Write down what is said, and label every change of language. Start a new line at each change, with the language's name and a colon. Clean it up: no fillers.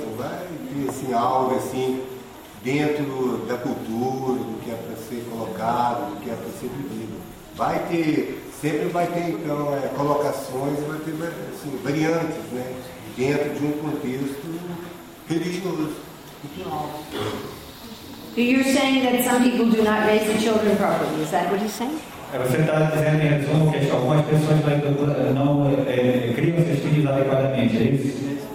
Portuguese: Não vai ter assim, algo assim dentro da cultura, do que é para ser colocado, do que é para ser vivido. Vai ter, sempre vai ter, então, colocações, vai ter, assim, variantes, né, dentro de um contexto religioso.
English: So you're saying that some people do not raise the children properly, is that what you're saying?
Portuguese: Você está dizendo, em resumo, que algumas pessoas não criam seus filhos utiliza adequadamente, é isso?